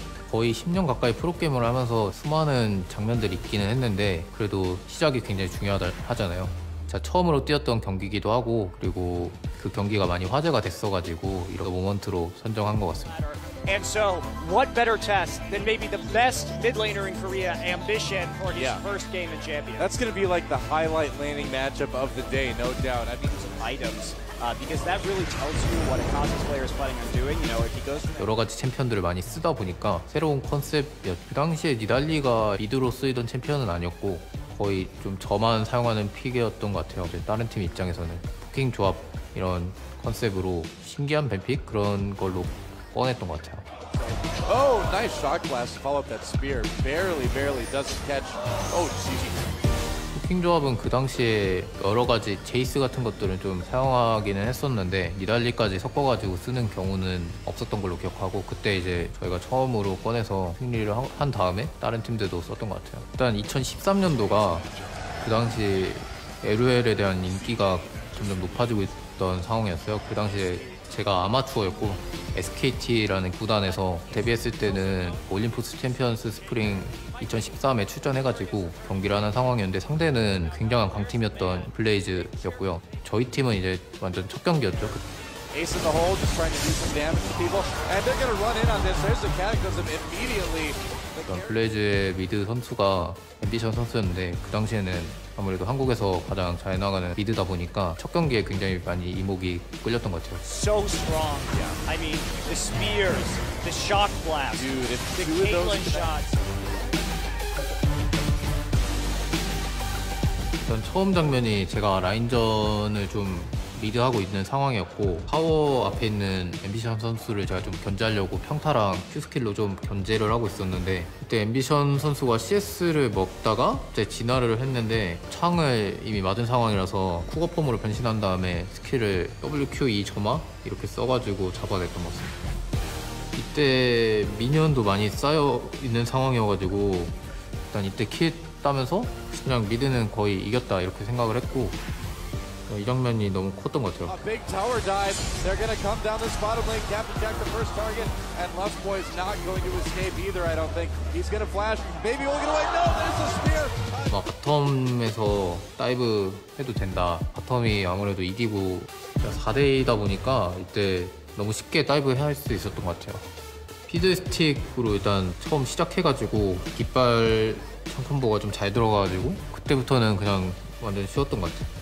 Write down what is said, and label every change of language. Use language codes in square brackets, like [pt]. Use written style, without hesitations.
[ko] 거의 10년 가까이 프로게이머를 하면서 수많은 장면들이 있기는 했는데 그래도 시작이 굉장히 중요하다 하잖아요. 자, 처음으로 뛰었던 경기기도 하고 그리고 그 경기가 많이 화제가 됐어가지고 이런 모먼트로 선정한 것 같습니다. [en] And so, what better test than maybe the best mid laner in Korea, Ambition, for his first game in champion? That's gonna be like the highlight laning matchup of the day, no doubt. I mean, some items. Because that really tells you what a Kazus player is planning on doing. You know, if he goes. [ko] 여러 가지 챔피언들을 많이 쓰다 보니까 새로운 컨셉이었죠. 그 당시에 니달리가 미드로 쓰이던 챔피언은 아니었고 거의 좀 저만 사용하는 픽이었던 것 같아요. 다른 팀 입장에서는 포킹 조합 이런 컨셉으로 신기한 뱀픽 그런 걸로 꺼냈던 것 같아요. [en] Oh, nice shot blast to follow up that spear. Barely doesn't catch. Oh, GG. [ko] 킹 조합은 그 당시에 여러 가지 제이스 같은 것들을 좀 사용하기는 했었는데 니달리까지 섞어가지고 쓰는 경우는 없었던 걸로 기억하고 그때 이제 저희가 처음으로 꺼내서 승리를 한 다음에 다른 팀들도 썼던 것 같아요. 일단 2013년도가 그 당시 LOL에 대한 인기가 점점 높아지고 있던 상황이었어요. 그 당시에 제가 아마추어였고 SKT라는 구단에서 데뷔했을 때는 올림푸스 챔피언스 스프링 2013에 출전해가지고 경기를 하는 상황이었는데 상대는 굉장한 강팀이었던 블레이즈였고요. 저희 팀은 이제 완전 첫 경기였죠. [en] Ace in the hole, just trying to do some damage to people. And they're gonna run in on this. There's the cataclysm immediately. [ko] 블레이즈의 미드 선수가 앰비션 선수였는데 그 당시에는 아무래도 한국에서 가장 잘 나가는 미드다 보니까 첫 경기에 굉장히 많이 이목이 끌렸던 것 같아요. [en] So strong. Yeah. I mean, the spears, the shock blast, dude, the Caitlyn shots. [ko] 일단 처음 장면이 제가 라인전을 좀 리드하고 있는 상황이었고 파워 앞에 있는 앰비션 선수를 제가 좀 견제하려고 평타랑 Q스킬로 좀 견제를 하고 있었는데 그때 앰비션 선수가 CS를 먹다가 이제 진화를 했는데 창을 이미 맞은 상황이라서 쿠거폼으로 변신한 다음에 스킬을 WQE 점화 이렇게 써가지고 잡아냈던 것 같습니다. 이때 미니언도 많이 쌓여 있는 상황이어가지고 일단 이때 킬 따면서 그냥 미드는 거의 이겼다 이렇게 생각을 했고 이 장면이 너무 컸던 것 같아요. [en] A big tower dive. They're gonna come down this bottom lane. Captain Jack, the first target, and Lustboy is not going to escape either. I don't think he's gonna flash. Maybe we'll get away. No, there's the spear. [ko] 막 바텀에서 다이브 해도 된다. 바텀이 아무래도 이기고 4대2다 보니까 이때 너무 쉽게 다이브 할 수 있었던 것 같아요. 피드 스틱으로 일단 처음 시작해가지고 깃발 상콤보가 좀 잘 들어가가지고 그때부터는 그냥 완전 쉬웠던 것 같아요.